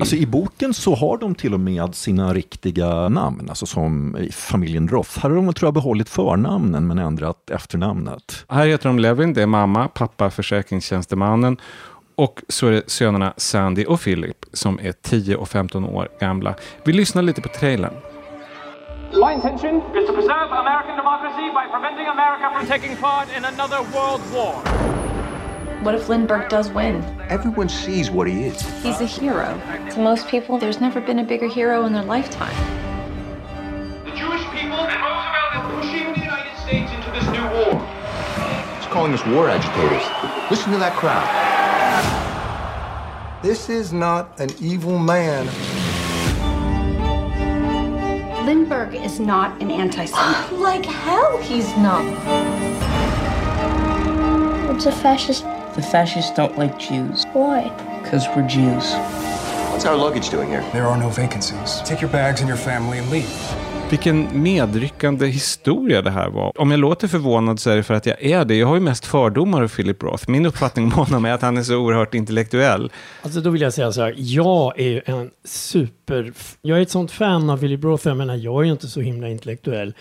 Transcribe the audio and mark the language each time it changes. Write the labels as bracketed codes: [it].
[sv] Alltså i boken så har de till och med sina riktiga namn, alltså som familjen Roth. Här har de, tror jag, behållit förnamnen men ändrat efternamnet. Här heter de Levin, det är mamma, pappa, försäkringstjänstemannen. Och så är det sönerna Sandy och Philip som är 10 och 15 år gamla. Vi lyssnar lite på trailern. [en] My intention is to preserve American democracy by preventing America from taking part in another world war. What if Lindbergh does win? Everyone sees what he is. He's a hero. To most people, there's never been a bigger hero in their lifetime. The Jewish people and Roosevelt are pushing the United States into this new war. He's calling us war agitators. Listen to that crowd. This is not an evil man. Lindbergh is not an anti-Semite. Like hell he's not. It's a fascist. The fascists don't like Jews. Why? Because we're Jews. What's our luggage doing here? There are no vacancies. Take your bags and your family and leave. [sv] Vilken medryckande historia det här var. Om jag låter förvånad så är det för att jag är det. Jag har ju mest fördomar av Philip Roth. Min uppfattning om honom är att han är så oerhört intellektuell. Alltså då vill jag säga så här. Jag är ju en super... Jag är ett sånt fan av Philip Roth. Jag menar, jag är ju inte så himla intellektuell.